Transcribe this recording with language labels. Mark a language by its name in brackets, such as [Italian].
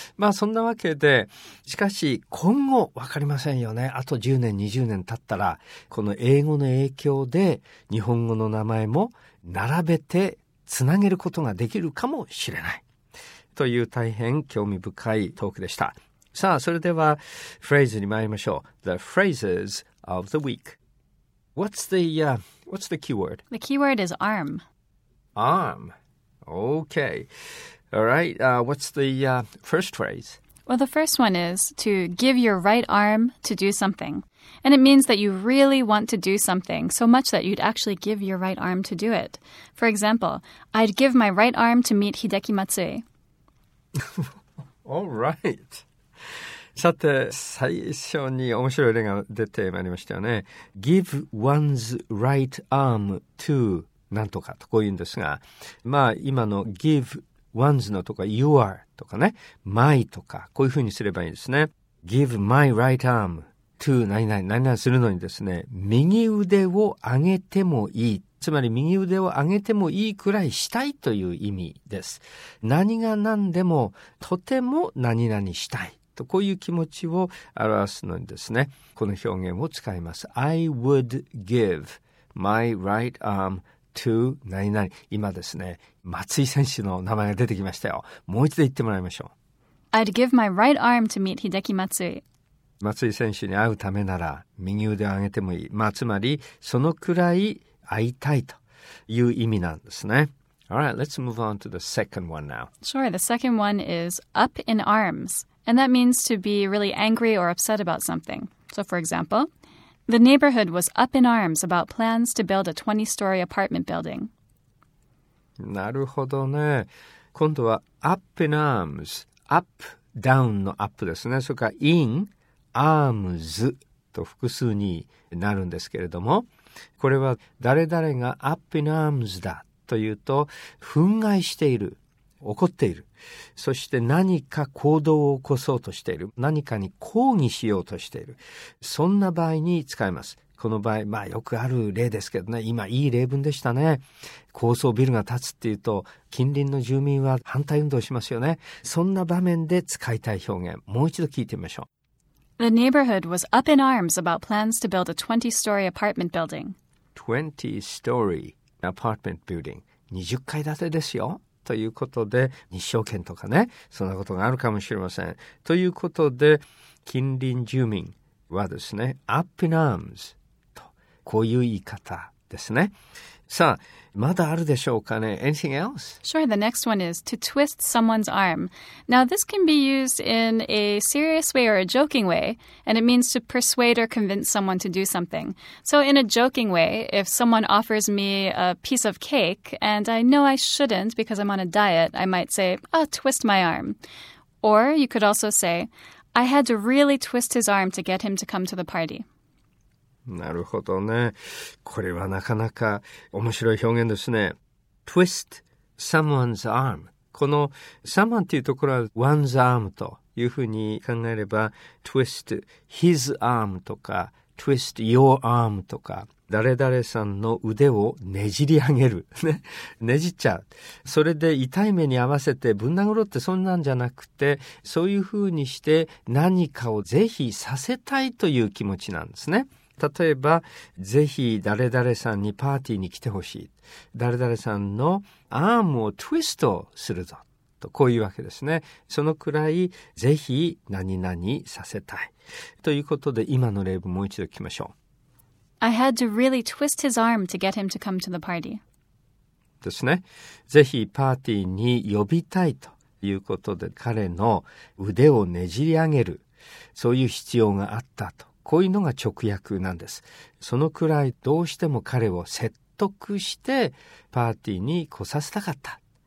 [Japanese] まあそんなわけで、しかし今後分かりませんよね、あと10年20年経ったらこの英語の影響で日本語の名前も並べてつなげることができるかもしれないという、大変興味深いトークでした。さあそれではフレーズに参りましょう。 [English] The phrases of the weekWhat's the keyword? The keyword is arm. Arm. Okay. All right. What's the first phrase? Well, the first one is to give your right arm to do something. And it means that you really want to do something so much that you'd actually give your right arm to do it. For example, I'd give my right arm to meet Hideki Matsui. All right. [Japanese] さて、最初に面白い例が出てまいりましたよね。 [English] Give one's right arm to [Japanese] なんとかとこう言うんですが、まあ今の give one's のとか your とかね、my とかこういうふうにすればいいですね。 [English] Give my right arm to [Japanese] 何々するのにですね、右腕を上げてもいい。つまり右腕を上げてもいいくらいしたいという意味です。何が何でもとても何々したい。と、こういう気持ちを表すのにですね、この表現を使います。 [English] I would give my right arm to [Japanese] 何々。今ですね、松井選手の名前が出てきましたよ。もう一度言ってもらいましょう。 [English] I'd give my right arm to meet Hideki Matsui. [Japanese] 松井選手に会うためなら、右腕を上げてもいい。まあ、つまり、そのくらい会いたいという意味なんですね。 [English] All right, let's move on to the second one now. Sure, the second one is up in arms, and that means to be really angry or upset about something. So for example, the neighborhood was up in arms about plans to build a 20-story apartment building. [Japanese] なるほどね。今度は [English] up in arms, [Japanese] up, down の up ですね。それから in, arms と複数になるんですけれども、これは誰々が [English] up in arms [Japanese] だ。というと憤慨している怒っているそして何か行動を起こそうとしている何かに抗議しようとしているそんな場合に使います。この場合、まあ、よくある例ですけどね。今いい例文でしたね。高層ビルが建つっていうと近隣の住民は反対運動しますよね。そんな場面で使いたい表現、もう一度聞いてみましょう。 [English] The neighborhood was up in arms about plans to build a 20-story apartment building. 20-storyApartment building. [Japanese] 20階建てですよということで、日照権とかね、そんなことがあるかもしれません。ということで近隣住民はですね、 [English] up in arms [Japanese] とこういう言い方ですね。さあ、まだあるでしょうかね。 [English] Anything else? Sure, the next one is to twist someone's arm. Now this can be used in a serious way or a joking way, and it means to persuade or convince someone to do something. So in a joking way, if someone offers me a piece of cake and I know I shouldn't because I'm on a diet, I might say, "Ah, twist my arm." Or you could also say, "I had to really twist his arm to get him to come to the party." [Japanese] なるほどね。これはなかなか面白い表現ですね。 [English] Twist someone's arm。 [Japanese] この someone っていうところは one's arm というふうに考えれば、 [English] twist his arm [Japanese] とか、 [English] twist your arm [Japanese] とか、誰々さんの腕をねじり上げる。ねじっちゃう。それで痛い目に合わせてぶん殴ろうってそんなんじゃなくて、そういうふうにして何かをぜひさせたいという気持ちなんですね。例えば、ぜひ誰々さんにパーティーに来てほしい。誰々さんのアームをトゥイストするぞ。と、こういうわけですね。そのくらい、ぜひ何々させたい。ということで、今の例文もう一度聞きましょう。 [English] I had to really twist his arm to get him to come to the party. [Japanese] ですね。ぜひパーティーに呼びたいということで、彼の腕をねじり上げる。そういう必要があったと。こういうのが直訳なんです。そのくらいどうしても彼を説得してパーティーに来させたかった。